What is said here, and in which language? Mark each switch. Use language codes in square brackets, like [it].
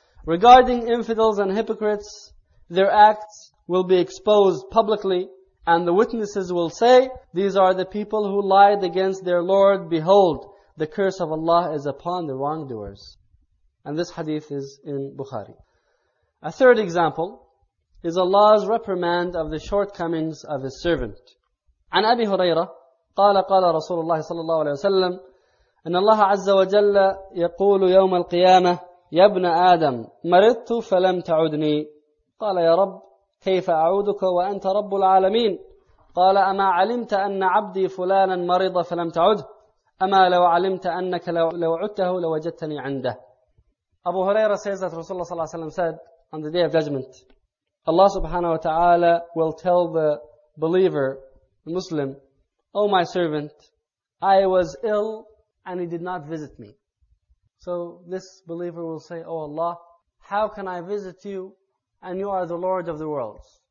[en] Regarding infidels and hypocrites, their acts will be exposed publicly, and the witnesses will say, these are the people who lied against their Lord. Behold, the curse of Allah is upon the wrongdoers. And this hadith is in Bukhari. A third example is Allah's reprimand of the shortcomings of His servant. [ar] عن أبي هريرة قال قال رسول الله صلى الله عليه وسلم إن الله عز وجل يقول يوم القيامة يا ابن آدم مرضت فلم تعدني قال يا رب كيف أعودك وأنت رب العالمين قال أما علمت أن عبدي فلانا مرض فلم تعد أما لو علمت أنك لو عدته لوجدتني عنده. [en] أبو هريرة says that Rasulullah صلى الله عليه وسلم said on the day of judgment Allah subhanahu wa ta'ala will tell the believer Muslim, oh my servant, I was ill and he did not visit me. So this believer will say, oh Allah, how can I visit you and you are the Lord of the worlds?